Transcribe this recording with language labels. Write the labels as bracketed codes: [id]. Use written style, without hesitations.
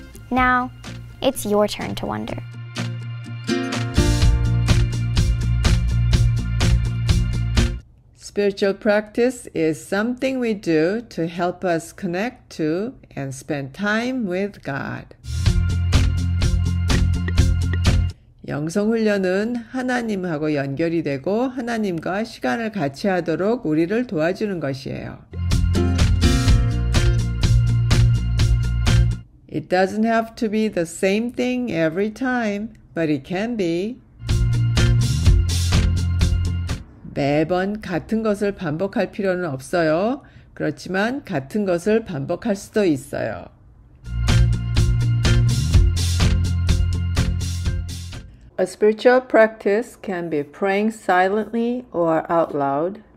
[en] Now, it's your turn to wonder. Spiritual practice is something we do to help us connect to and spend time with God. [ko] 영성훈련은 하나님하고 연결이 되고 하나님과 시간을 같이 하도록 우리를 도와주는 것이에요. [en] It doesn't have to be the same thing every time, but it can be. [ko] 매번 같은 것을 반복할 필요는 없어요. 그렇지만 같은 것을 반복할 수도 있어요. [en] A spiritual practice can be praying silently or out loud